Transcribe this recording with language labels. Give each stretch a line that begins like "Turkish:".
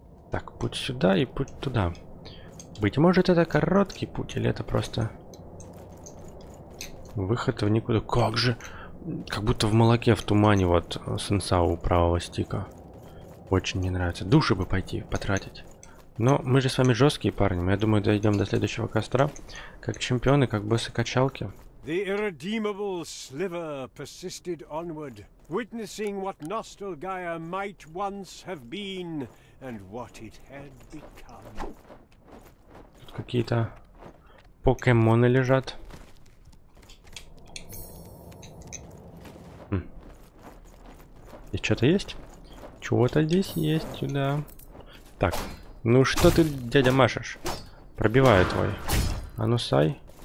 Russian: Так, путь сюда и путь туда. Быть может, это короткий путь, или это просто выход в никуда. Как же? Как будто в молоке, в тумане, вот, сенса у правого стика. Очень не нравится. Души бы пойти потратить. Но мы же с вами жесткие парни. Мы, я думаю, дойдем до следующего костра. Как чемпионы, как боссы качалки.
English: The irredeemable sliver persisted onward, witnessing what Nostalgaea might once have been and what it had become.
Russian: Тут какие-то покемоны лежат. Здесь что-то есть? Чего-то здесь есть, сюда. Так, ну что ты, дядя, машешь? Пробиваю твой. А ну сай.